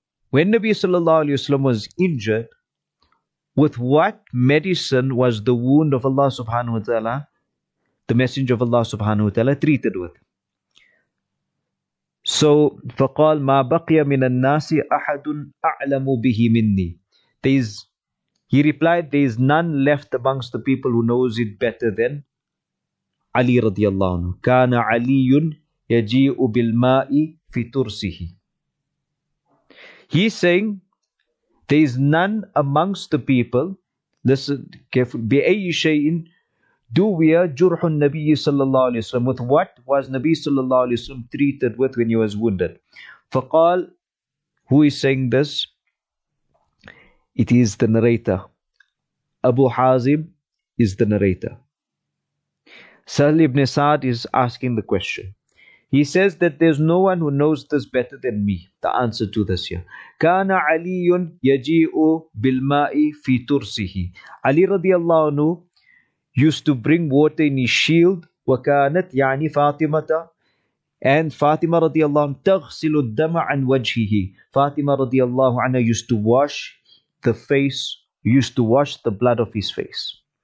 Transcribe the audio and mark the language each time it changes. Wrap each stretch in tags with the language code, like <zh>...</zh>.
<en>When Nabi sallallahu alayhi wasallam was injured, with what medicine was the wound of Allah subhanahu wa ta'ala, the messenger of Allah subhanahu wa ta'ala, treated with?</en> <ar>So فقال ما بقي من الناس أحد أعلم به مني.</ar> <en>He replied, there is none left amongst the people who knows it better than Ali radiallahu anhu.</en> <ar>كان علي يجيء بالماء في ترسه.</ar> <en>He's saying, there is none amongst the people, listen carefully,</en> <ar>بأي شيء</ar> <en>do we</en> <ar>جرح النبي صلى الله عليه وسلم,</ar> <en>with what was Nabi صلى الله عليه وسلم treated with when he was wounded.</en> <ar>فقال,</ar> <en>who is saying this? It is the narrator. Abu Hazim is the narrator. Sahl ibn Sa'd is asking the question. He says that there's no one who knows this better than me. The answer to this here.</en> <ar>كان علي يجيء بالماء في ترسه.</ar> <en>Ali radiallahu anhu used to bring water in his shield.</en> <ar>وكانت يعني فاطمة.</ar> <en>And Fatima radiallahu anhu</en> <ar>تغسل الدم عن وجهه.</ar> <en>Fatima radiallahu anhu used to wash the face, used to wash the blood of his face.</en>